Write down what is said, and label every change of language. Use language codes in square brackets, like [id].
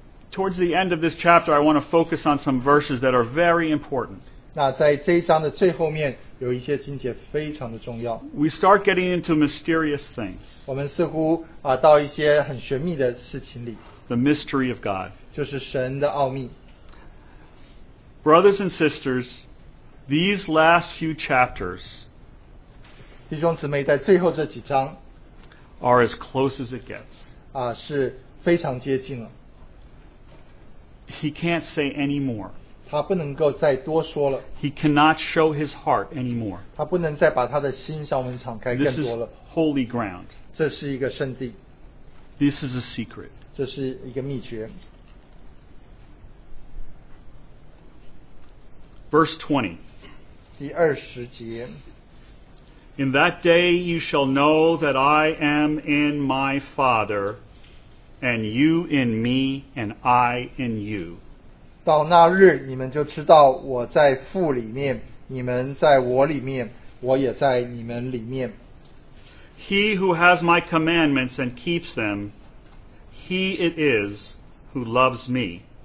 [en] Towards the end of this chapter, I want to focus on some verses that are very important. [zh] 那在这一章的最后面, 有一些经节非常的重要。 [en] We start getting into mysterious things. [zh] 我们似乎, 到一些很玄秘的事情里。 [en] The mystery of God. [zh] 就是神的奥秘。 [en] Brothers and sisters, these last few chapters [zh] 弟兄姊妹在最后这几章, [en] are as close as it gets. [zh] 是非常接近了。 [en] He can't say any more. [zh] 他不能够再多说了。 [en] He cannot show his heart anymore. [zh] 他不能再把他的心向我们敞开更多了。 [en] This is holy ground. [zh] 这是一个圣地。This [en] is a secret. [zh] 这是一个秘诀。 [en] Verse 20. [zh] 第二十节。 [en] In that day you shall know that I am in my Father, and you in me, and I in you. [zh] 到那日你们就知道我在父里面，你们在我里面，我也在你们里面。He [en] who has my commandments and keeps them, he it is who loves me.